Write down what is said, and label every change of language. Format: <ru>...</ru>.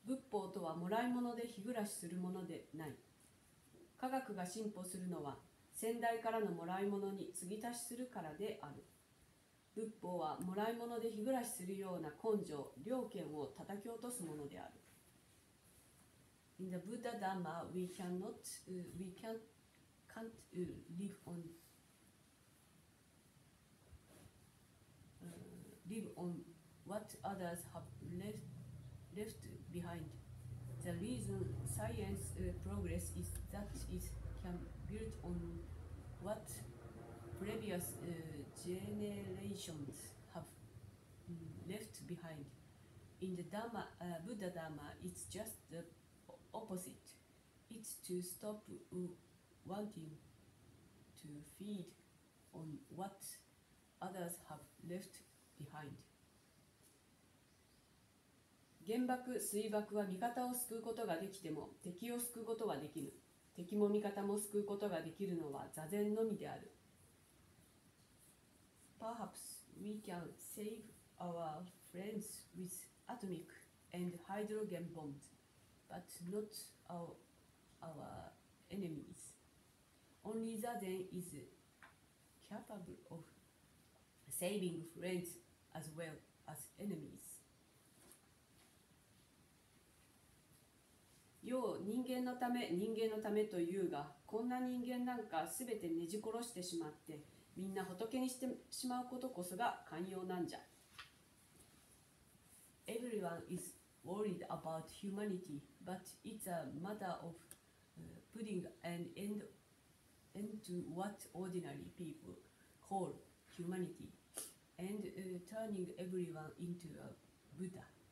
<ja>法とはもらい物で日暮らしするものでない。科学が進歩するのは先代からのもらい物に継ぎ足しするからである。仏法はもらい物で日暮らしするような根性、良権を叩き落とすものである。</ja> <en>In the Buddha Dhamma we cannot we can, can't live on live on what others have left behind. The reason science progress is that it can build on what previous generations have left behind. In the Dhamma, Buddha Dhamma, it's just the opposite. It's to stop wanting to feed on what others have left behind.</en> <ja>原爆、水爆は味方を救うことができても敵を救うことはできぬ。敵も味方も救うことができるのは座禅のみである。</ja> <en>Perhaps we can save our friends with atomic and hydrogen bombs, but not our enemies. Only 座禅 is capable of saving friends as well as enemies.</en> <ja>要人間のため人間のためというが、こんな人間なんかすべてねじ殺してしまってみんな仏にしてしまうことこそが寛容なんじゃ。</ja> <en>Everyone is worried about humanity, but it's a matter of putting an end to what ordinary people call humanity and turning everyone into a Buddha.</en>